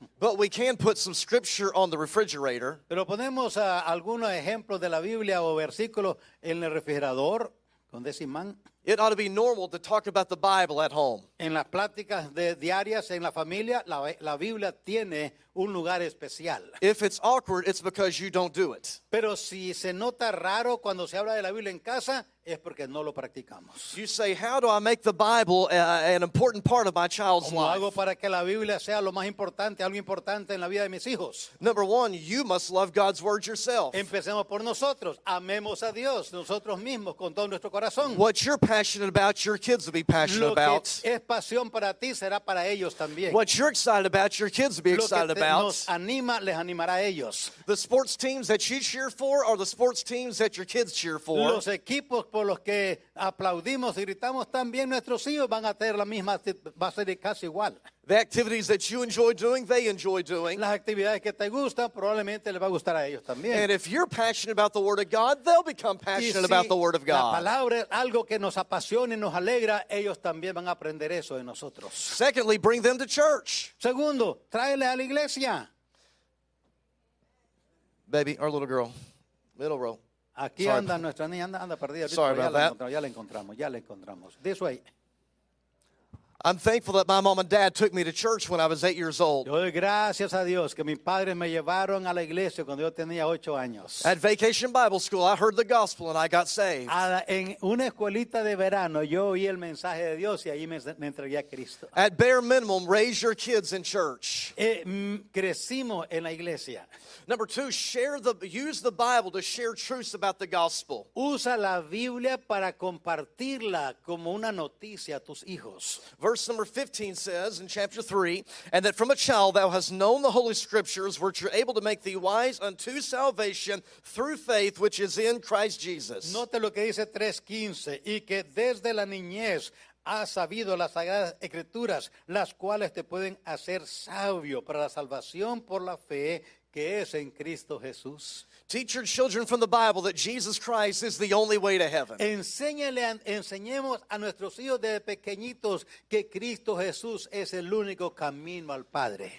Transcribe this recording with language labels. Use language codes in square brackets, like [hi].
[en] But we can put some scripture on the refrigerator. [es] Pero ponemos algunos ejemplos de la Biblia o versículos en el refrigerador con decimán. [en] It ought to be normal to talk about the Bible at home. [es] En las pláticas diarias en la familia, la Biblia tiene un lugar especial. [en] If it's awkward, it's because you don't do it. [es] Pero si se nota raro cuando se habla de la Biblia en casa, es porque no lo practicamos. [en] You say, how do I make the Bible an important part of my child's life? [es] ¿Cómo hago para que la Biblia sea lo más importante, algo importante en la vida de mis hijos? [en] Number one, you must love God's word yourself. [es] Empecemos por nosotros. Amemos a Dios nosotros mismos con todo nuestro corazón. [en] What you're passionate about, your kids will be passionate about. [es] Lo que es pasión para ti será para ellos también. [en] What you're excited about, your kids will be excited about. [es] Nos anima, les animará a ellos. [en] The sports teams that you cheer for are the sports teams that your kids cheer for. [es] Los equipos por los que aplaudimos y gritamos también nuestros hijos van a tener la misma, va a ser casi igual. [en] The activities that you enjoy doing, they enjoy doing. [es] Las actividades que te gustan probablemente les va a gustar a ellos también. [en] And if you're passionate about the word of God, they'll become passionate [es] si [en] about the word of God. [es] La palabra es algo que nos apasiona y nos alegra, ellos también van a aprender eso de nosotros. [en] Secondly, bring them to church. [es] Segundo, tráele a la iglesia. [en] Baby, our little girl, middle row. [es] Aquí sorry, anda nuestra niña, anda perdida. [en] Sorry [es] ya [en] about [es] la [en] that. [es] Encontramos, ya la encontramos, ya la encontramos. [en] This way. I'm thankful that my mom and dad took me to church when I was 8 years old. [es] Yo doy gracias a Dios que mis padres me llevaron a la iglesia cuando yo tenía 8 años. [en] At Vacation Bible School, I heard the gospel and I got saved. [es] En una escuelita de verano, yo oí el mensaje de Dios y ahí me entregué a Cristo. [en] At bare minimum, raise your kids in church. [es] Crecimos en la iglesia. [en] Number two, use the Bible to share truths about the gospel. [es] Usa la Biblia para compartirla como una noticia a tus hijos. [en] Verse number 15 says in chapter 3, and that from a child thou hast known the holy scriptures, which are able to make thee wise unto salvation through faith which is in Christ Jesus. [es] Note lo que dice 3:15, y que desde la niñez has sabido las sagradas escrituras, las cuales te pueden hacer sabio para la salvación por la fe que es en Cristo Jesús. [en] Teach your children from the Bible that Jesus Christ is the only way to heaven. [es] Enseñemos a nuestros hijos desde pequeñitos que Cristo Jesús es el único camino al Padre.